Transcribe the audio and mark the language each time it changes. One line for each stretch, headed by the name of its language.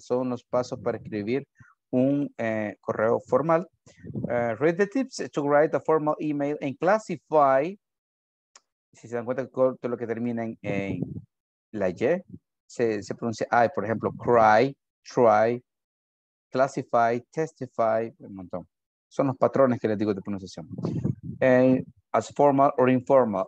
Spanish: Son unos pasos para escribir un correo formal.
English: Read the tips to write a formal email and classify.
Spanish: Si se dan cuenta, todo lo que termina en la Y se pronuncia I, por ejemplo, cry, try, classify, testify, un montón. son los patrones que les digo de pronunciación. And as formal or informal.